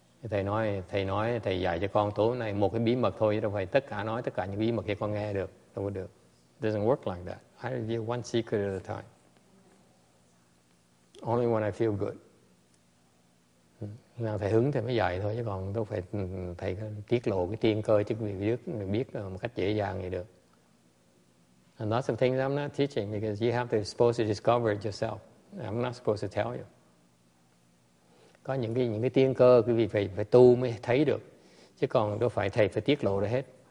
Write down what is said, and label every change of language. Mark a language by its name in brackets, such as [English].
[Vietnamese] Thầy nói thầy dạy cho con tối nay một cái bí mật thôi, chứ đâu phải tất cả nói tất cả những bí mật cho con nghe được, đâu có được. [English] It doesn't work like that. I reveal one secret at a time. Only when I feel good. [Vietnamese] Nào thầy hứng thì mới dạy thôi, chứ còn đâu phải thầy tiết lộ cái tiên cơ chứ biết một cách dễ dàng gì được. [English] And lots of things I'm not teaching because you have to supposed to discover it yourself. I'm not supposed to tell you. [Vietnamese] Có những cái tiên cơ quý vị phải tu mới thấy được. Chứ còn đâu phải thầy phải tiết lộ ra hết.